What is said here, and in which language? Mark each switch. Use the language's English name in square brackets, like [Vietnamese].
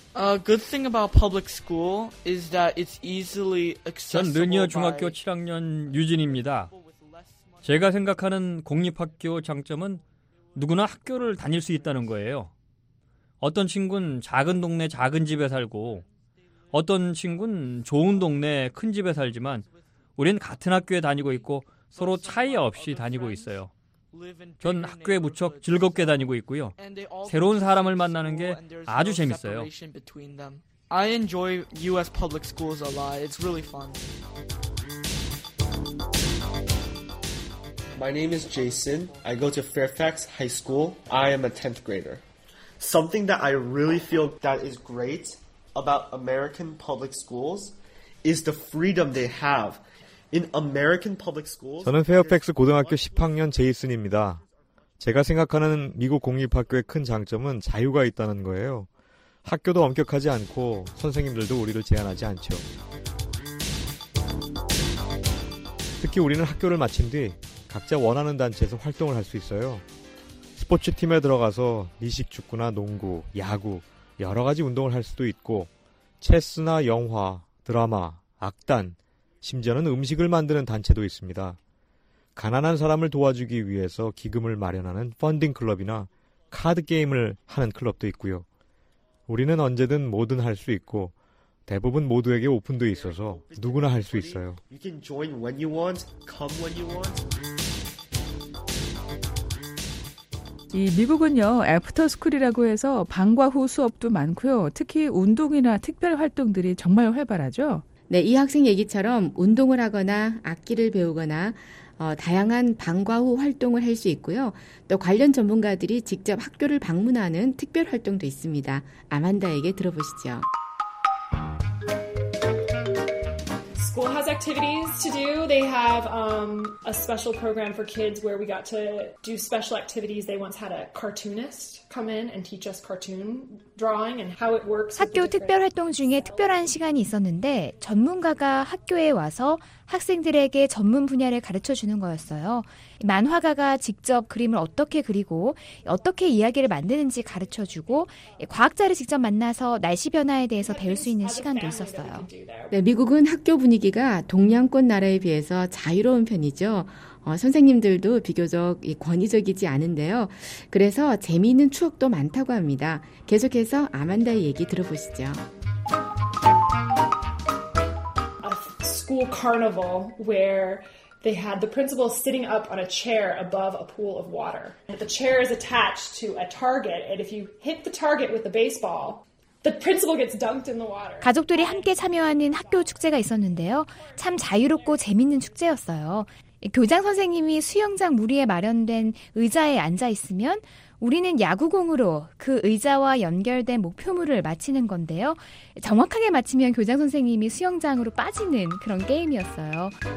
[English] A good thing about public school is that it's easily accessible. [Korean] 전 르니어 중학교 7학년 유진입니다. 제가 생각하는 공립학교 장점은 누구나 학교를 다닐 수 있다는 거예요. 어떤 친구는 작은 동네 작은 집에 살고 어떤 친구는 좋은 동네 큰 집에 살지만 우린 같은 학교에 다니고 있고 서로 차이 없이 다니고 있어요. 전 학교에 무척 즐겁게 다니고 있고요. 새로운 사람을 만나는 게 아주 재밌어요. [English] I enjoy US public schools a lot. It's really fun. My name is Jason. I go to Fairfax High School. I am a 10th grader. Something that I really feel that is great about American public schools is the freedom they have. In American public schools, [Korean] 저는 페어팩스 고등학교 10학년 제이슨입니다. 제가 생각하는 미국 공립학교의 큰 장점은 자유가 있다는 거예요. 학교도 엄격하지 않고 선생님들도 우리를 제한하지 않죠. 특히 우리는 학교를 마친 뒤 각자 원하는 단체에서 활동을 할 수 있어요. 스포츠팀에 들어가서 미식축구나 농구, 야구, 여러 가지 운동을 할 수도 있고 체스나 영화, 드라마, 악단, 심지어는 음식을 만드는 단체도 있습니다. 가난한 사람을 도와주기 위해서 기금을 마련하는 펀딩 클럽이나 카드 게임을 하는 클럽도 있고요. 우리는 언제든 뭐든 할 수 있고 대부분 모두에게 오픈돼 있어서 누구나 할 수 있어요. [English] You can join when you want, come when you want. [Korean] 이 미국은요, 애프터스쿨이라고 해서 방과 후 수업도 많고요. 특히 운동이나 특별 활동들이 정말 활발하죠. 네, 이 학생 얘기처럼 운동을 하거나 악기를 배우거나 다양한 방과 후 활동을 할 수 있고요. 또 관련 전문가들이 직접 학교를 방문하는 특별 활동도 있습니다. 아만다에게 들어보시죠. [English] School has activities to do. They have a special program for kids where we got to do special activities. They once had a cartoonist come in and teach us cartoon drawing and how it works. [Korean] 학교 특별 활동 중에 특별한 시간이 있었는데 전문가가 학교에 와서 학생들에게 전문 분야를 가르쳐 주는 거였어요. 만화가가 직접 그림을 어떻게 그리고 어떻게 이야기를 만드는지 가르쳐 주고 과학자를 직접 만나서 날씨 변화에 대해서 배울 수 있는 시간도 있었어요. 네, 미국은 학교 분위기가 동양권 나라에 비해서 자유로운 편이죠. 선생님들도 비교적 권위적이지 않은데요. 그래서 재미있는 추억도 많다고 합니다. 계속해서 아만다의 얘기 들어보시죠. [English] A school carnival where they had the principal sitting up on a chair above a pool of water. The chair is attached to a target, and if you hit the target with the baseball, the principal gets dunked in the water. [Korean] 가족들이 함께 참여하는 학교 축제가 있었는데요. 참 자유롭고 재미있는 축제였어요. 교장 선생님이 수영장 무리에 마련된 의자에 앉아 있으면 우리는 야구공으로 그 의자와 연결된 목표물을 맞히는 건데요. 정확하게 맞히면 교장 선생님이 수영장으로 빠지는 그런 게임이었어요.